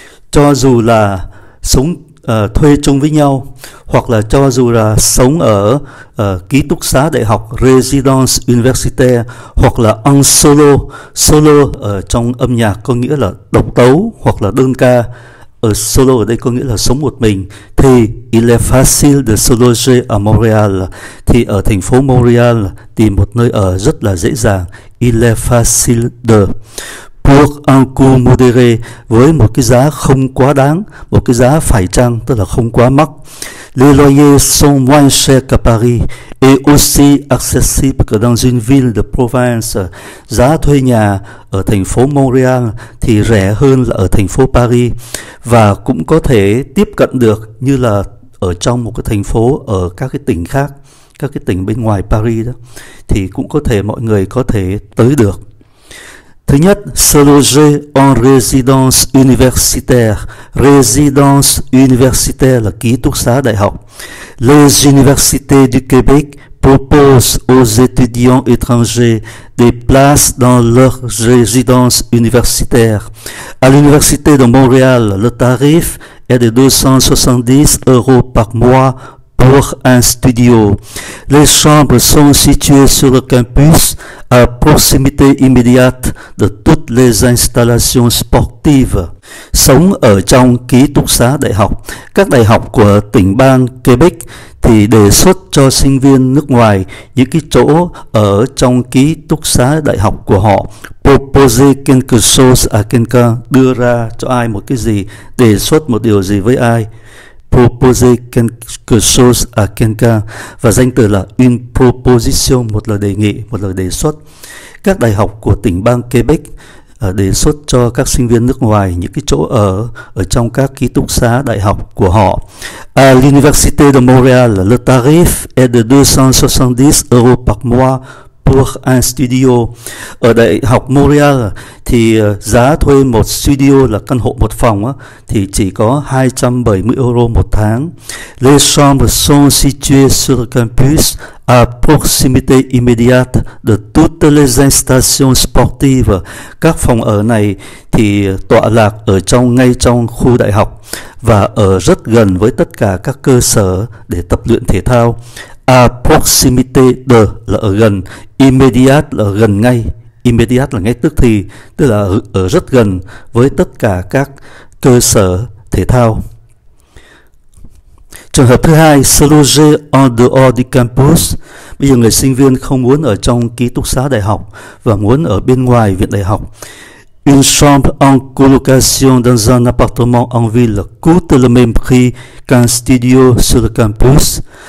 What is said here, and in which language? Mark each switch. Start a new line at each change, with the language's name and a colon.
Vietnamese: Cho dù là sống thuê chung với nhau, hoặc là cho dù là sống ở ký túc xá đại học Residence Université, hoặc là en solo, solo ở trong âm nhạc có nghĩa là độc tấu hoặc là đơn ca, ở solo ở đây có nghĩa là sống một mình, thì
French: il est facile de se loger à Montréal,
Vietnamese: thì ở thành phố Montréal tìm một nơi ở rất là dễ dàng,
French: il est facile de. Pour un coût modéré,
Vietnamese: với một cái giá không quá đáng, một cái giá phải chăng, tức là không quá mắc.
French: Les loyers sont moins chers qu'à Paris et aussi accessibles que dans une ville de province.
Vietnamese: Giá thuê nhà ở thành phố Montréal thì rẻ hơn là ở thành phố Paris, và cũng có thể tiếp cận được như là ở trong một cái thành phố ở các cái tỉnh khác, các cái tỉnh bên ngoài Paris đó, thì cũng có thể mọi người có thể tới được. Thứ nhất,
French: se loger en résidence universitaire.
Vietnamese: Résidence universitaire là ký túc xá đại học.
French: Les universités du Québec proposent aux étudiants étrangers des places dans leur résidence universitaire. À l'université de Montréal, le tarif est de 270 € par mois pour un studio. Les chambres sont situées sur le campus à proximité immédiate de toutes les installations sportives.
Vietnamese: Sống ở trong ký túc xá đại học, các đại học của tỉnh bang Quebec thì đề xuất cho sinh viên nước ngoài những cái chỗ ở trong ký túc xá đại học của họ.
French: Proposer quelque chose à quelqu'un,
Vietnamese: đưa ra cho ai một cái gì, đề xuất một điều gì với ai.
French: Proposer quelque chose à quelqu'un,
Vietnamese: và danh từ là une proposition, một lời đề nghị, một lời đề xuất. Các đại học của tỉnh bang Quebec đề xuất cho các sinh viên nước ngoài những cái chỗ ở ở trong các ký túc xá đại học của họ.
French: À l'Université de Montréal, le tarif est de 270 € par mois pour un studio.
Vietnamese: Ở đại học Montréal thì giá thuê một studio là căn hộ một phòng thì chỉ có 270 € một tháng.
French: Les chambres sont situées sur le campus à proximité immédiate de toutes les installations sportives.
Vietnamese: Các phòng ở này thì tọa lạc ở trong ngay trong khu đại học và ở rất gần với tất cả các cơ sở để tập luyện thể thao. À proximité de là ở gần, immédiat là gần ngay, immédiat là ngay tức thì, tức là ở rất gần với tất cả các cơ sở thể thao. Trường hợp thứ hai,
French: se loger en dehors du campus.
Vietnamese: Bây giờ người sinh viên không muốn ở trong ký túc xá đại học và muốn ở bên ngoài viện đại học.
French: Une chambre en colocation dans un appartement en ville coûte le même prix qu'un studio sur le campus.